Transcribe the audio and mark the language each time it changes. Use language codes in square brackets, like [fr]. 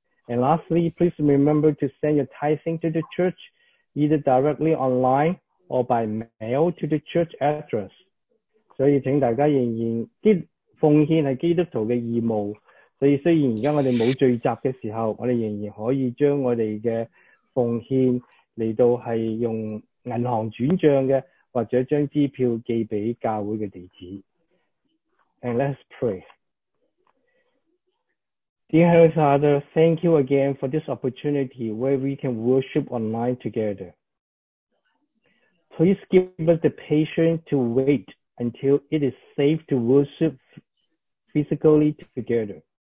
[en] And lastly, please remember to send your tithing to the church either directly online or by mail to the church address. [zh] 所以请大家仍然奉献是基督徒的义务, 所以虽然现在我们没有聚集的时候, 我们仍然可以将我们的奉献来到是用银行转账的, 或者将支票寄给教会的地址. [en] And let's pray. Dear Heavenly Father, thank you again for this opportunity where we can worship online together. Please give us the patience to wait until it is safe to worship physically together.